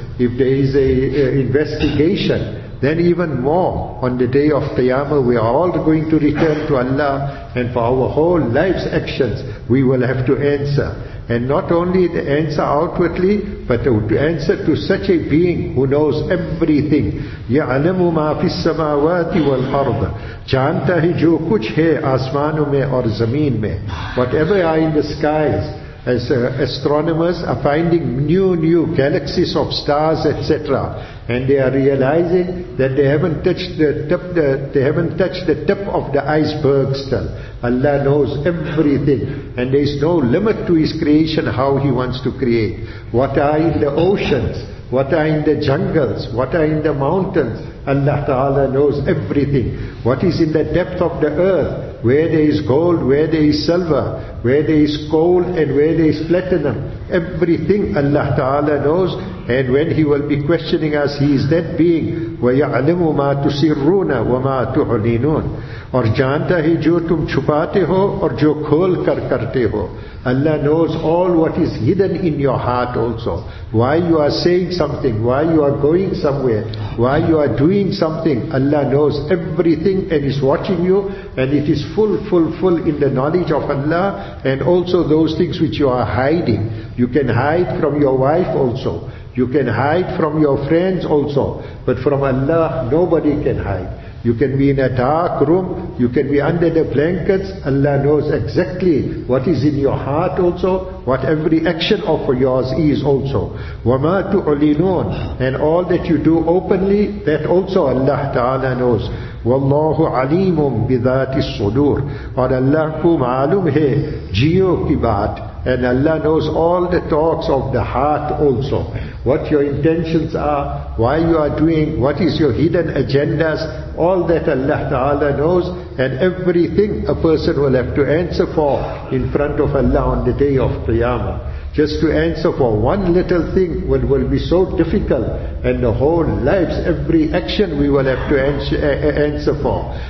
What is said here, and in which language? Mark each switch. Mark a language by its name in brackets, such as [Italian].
[English] If there is an investigation, then even more on the day of Qiyamah, we are all going to return to Allah, and for our whole life's actions, we will have to answer. And not only the answer outwardly, but the answer to such a being who knows everything. [Arabic] يَعْلَمُ مَا فِي السَّمَاوَاتِ وَالْأَرْضِ [Urdu] جَانْتَ هِ جُو كُچھ هَي آسمانوں میں اور زمین میں. [English] Whatever are in the skies, as astronomers are finding new galaxies of stars, etc. And they are realizing that they haven't touched the tip of the iceberg still. Allah knows everything, and there is no limit to His creation, how He wants to create. What are in the oceans? What are in the jungles? What are in the mountains? Allah Ta'ala knows everything. What is in the depth of the earth? Where there is gold, where there is silver, where there is coal, and where there is platinum. Everything Allah Ta'ala knows, and when He will be questioning us, He is that being. [Arabic] وَيَعْلَمُ مَا تُسِرُّونَ وَمَا تُعْلِنُونَ. [Urdu] اور جانتا ہے جو تم چھپاتے ہو اور جو کھول کر کرتے ہو. [English] Allah knows all what is hidden in your heart also. Why you are saying something, why you are going somewhere, why you are doing something, Allah knows everything and is watching you, and it is full in the knowledge of Allah. And also those things which you are hiding, you can hide from your wife also, you can hide from your friends also, but from Allah nobody can hide. You can be in a dark room, you can be under the blankets, Allah knows exactly what is in your heart also, what every action of yours is also. [Arabic] وَمَا تُعْلِنُونَ. [English] And all that you do openly, that also Allah Ta'ala knows. [Arabic] وَاللَّهُ عَلِيمٌ بِذَاتِ الصُّدُورِ. [Urdu] اور اللہ کو معلوم ہے جیو کی بات. [English] And Allah knows all the thoughts of the heart also. What your intentions are, why you are doing, what is your hidden agendas, all that Allah Ta'ala knows. And everything a person will have to answer for in front of Allah on the day of Qiyamah. Just to answer for one little thing will be so difficult, and the whole lives, every action we will have to answer for.